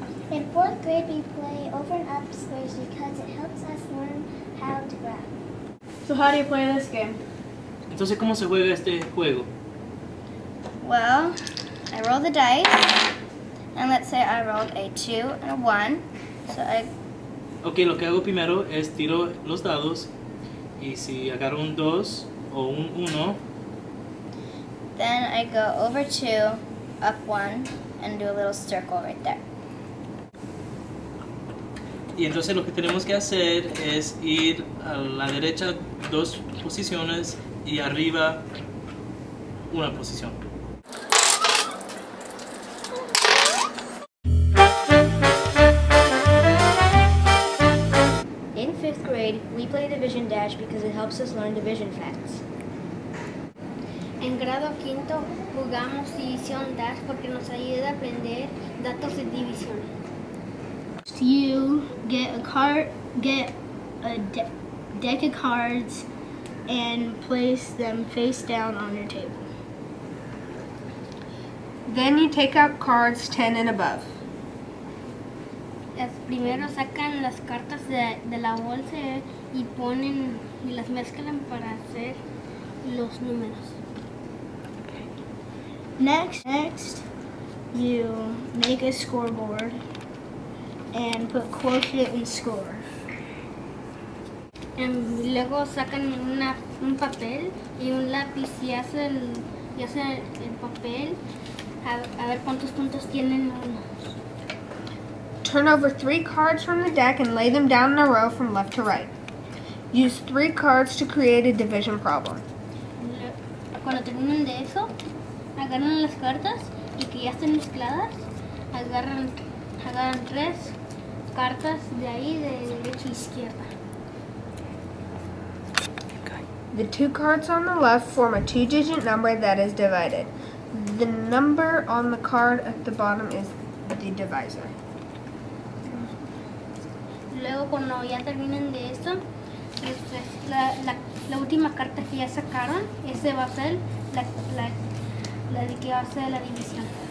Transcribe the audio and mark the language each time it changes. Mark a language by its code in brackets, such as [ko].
[en] In fourth grade, we play over and up squares because it helps us learn how to graph. So how do you play this game? [es] Entonces, ¿cómo se juega este juego? [en] Well, I roll the dice, and let's say I rolled a 2 and a 1, so I... [es] Okay, lo que hago primero es tiro los dados, y si agarro un 2, o un 1. [en] Then I go over 2, up 1, and do a little circle right there. [es] Y entonces lo que tenemos que hacer es ir a la derecha 2 posiciones y arriba 1 posición. [en] In 5th grade, we play division dash because it helps us learn division facts. [es] En grado quinto jugamos división dash porque nos ayuda a aprender datos de divisiones. [en] So you get a card, get a deck of cards, and place them face down on your table. Then you take out cards 10 and above. [es] Las primero sacan las cartas de la bolsa y ponen y las mezclan para hacer los números. [en] Next, you make a scoreboard and put quotient and score. [es] And luego sacan un papel y un lápiz y hacen el papel a ver cuántos puntos tienen unos. [en] Turn over 3 cards from the deck and lay them down in a row from left to right. Use 3 cards to create a division problem. [es] Cuando terminen de eso, agarran las cartas y que ya estén mezcladas, agarran 3 cartas de ahí, de derecha a izquierda. [en] The 2 cards on the left form a 2-digit number that is divided. The number on the card at the bottom is the divisor. [es] Luego cuando ya terminen de eso, después la última carta que ya sacaron, ese va a ser la de que va a ser la división.